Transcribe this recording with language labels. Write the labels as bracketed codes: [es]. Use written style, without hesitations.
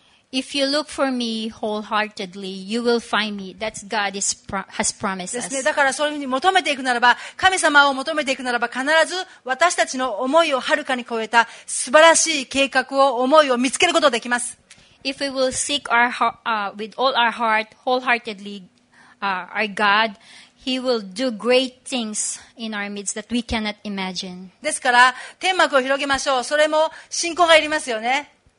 [en] If you look for me wholeheartedly, you will find me. That's God has promised us. [ja] ですね。だからそういうふうに求めていくならば、神様を求めていくならば、必ず私たちの思いをはるかに超えた素晴らしい計画を、思いを見つけることができます。 [en] If we will seek our with all our heart, wholeheartedly, our God, He will do great things in our midst that we cannot imagine. [ja] ですから、天幕を広げましょう。それも信仰がいりますよね。